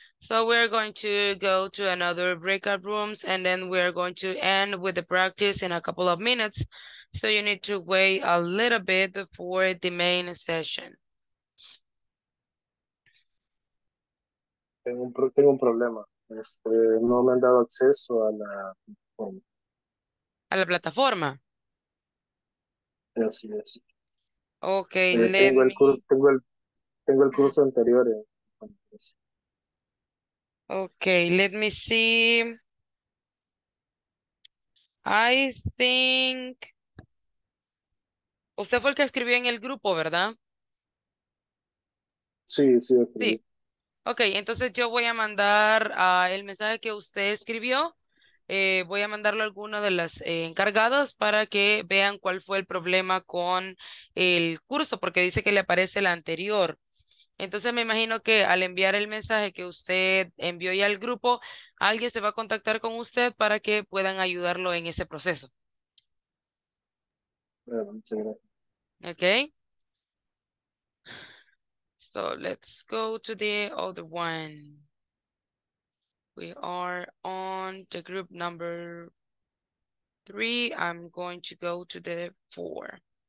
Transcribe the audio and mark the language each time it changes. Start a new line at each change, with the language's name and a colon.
English: So we're going to go to another breakout rooms and then we're going to end with the practice in a couple of minutes. So you need to wait a little bit for the main session.
Spanish: Tengo un problema. No me han dado acceso a la plataforma. ¿A la plataforma? Así es. Ok. Tengo el curso anterior.
English: Okay, let me see. I think...
Spanish: Usted fue el que escribió en el grupo, ¿verdad? Sí. Okay, entonces yo voy a mandar el mensaje que usted escribió. Voy a mandarlo a alguno de las encargadas para que vean cuál fue el problema con el curso, porque dice que le aparece el anterior. Entonces me imagino que al enviar el mensaje que usted envió ya al grupo, alguien se va a contactar con usted para que puedan ayudarlo en ese proceso. Bueno, muchas gracias.
English: Ok. So let's go to the other one. We are on the group number 3. I'm going to go to the 4.